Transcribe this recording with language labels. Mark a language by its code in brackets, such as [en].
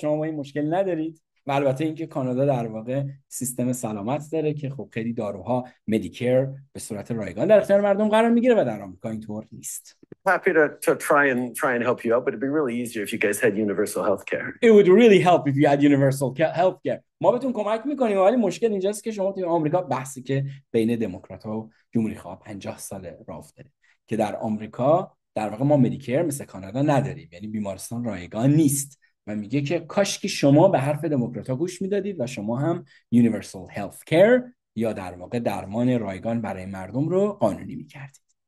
[fa] شما با این مشکل ندارید؟ البته اینکه کانادا در واقع سیستم سلامت داره که خب خیلی داروها مدیکر به صورت رایگان در اختیار مردم قرار میگیره و در آمریکا اینطور نیست. [en] Happy to try and help you out, but it'd be really easier if you guys had universal healthcare. It would really help if you had universal healthcare. [fa] ما بهتون کمک میکنیم، ولی مشکل اینجاست که شما توی آمریکا بحثی که بین دموکرات ها و جمهوری خواه 50 سال راه افتاده که در آمریکا در واقع ما مدیکر مثل کانادا نداریم، یعنی بیمارستان رایگان نیست، و میگه که کاش که شما به حرف دموکرات ها گوش میدادید و شما هم یونیورسال هلت کیر یا در واقع درمان رایگان برای مردم رو قانونی میکردید.